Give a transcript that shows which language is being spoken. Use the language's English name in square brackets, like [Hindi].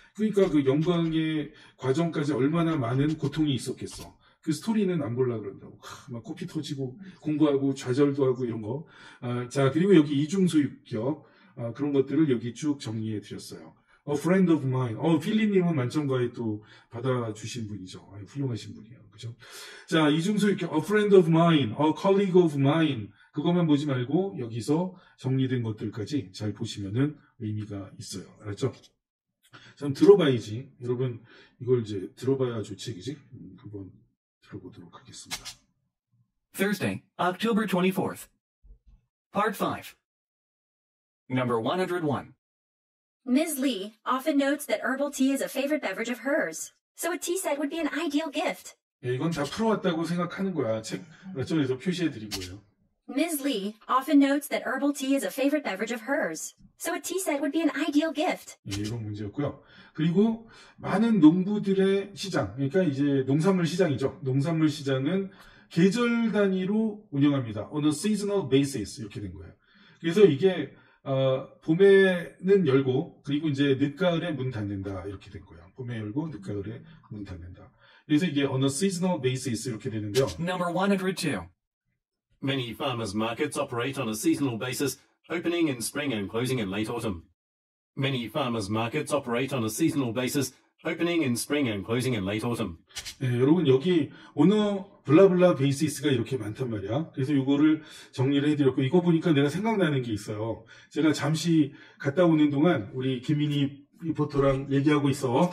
[Korean] 그러니까 그 영광의 과정까지 얼마나 많은 고통이 있었겠어. 그 스토리는 안 보려고 그런다고. 막 코피 터지고 공부하고 좌절도 하고 이런 거. 자, 그리고 여기 이중소유격 그런 것들을 여기 쭉 정리해 드렸어요. [English] A friend of mine. [Korean] 필리님은 만점과에 또 받아주신 분이죠. 훌륭하신 분이에요. 그죠? 자, 이중소유격 [English] A friend of mine. A colleague of mine. [Korean] 그것만 보지 말고 여기서 정리된 것들까지 잘 보시면은 의미가 있어요. 알았죠? 좀 들어봐야지. 여러분, 이걸 이제 들어봐야 좋지, 그지? 한번 들어보도록 하겠습니다. [English] Thursday, October 24th. Part 5. Number 101. Ms. Lee often notes that herbal tea is a favorite beverage of hers, so a tea set would be an ideal gift. [Korean] 예, 이건 다 풀어왔다고 생각하는 거야. 책 저에서 표시해 드린 거예요. [English] Ms. Lee often notes that herbal tea is a favorite beverage of hers, so a tea set would be an ideal gift. [Korean] 예, 이런 문제였고요. 그리고 많은 농부들의 시장, 그러니까 이제 농산물 시장이죠. 농산물 시장은 계절 단위로 운영합니다. [English] On a seasonal basis [Korean] 이렇게 된 거예요. 그래서 이게 봄에는 열고 그리고 이제 늦가을에 문 닫는다 이렇게 된 거예요. 봄에 열고 늦가을에 문 닫는다. 그래서 이게 [English] on a seasonal basis [Korean] 이렇게 되는데요. [English] Number 102. Many farmers markets operate on a seasonal basis, opening in spring and closing in late autumn. Many farmers markets operate on a seasonal basis, opening in spring and closing in late autumn. [Korean] 네, 여러분 여기 오늘 블라블라 베이시스가 이렇게 많단 말이야. 그래서 이거를 정리를 해드렸고 이거 보니까 내가 생각나는 게 있어요. 제가 잠시 갔다 오는 동안 우리 김민희 리포터랑 얘기하고 있어.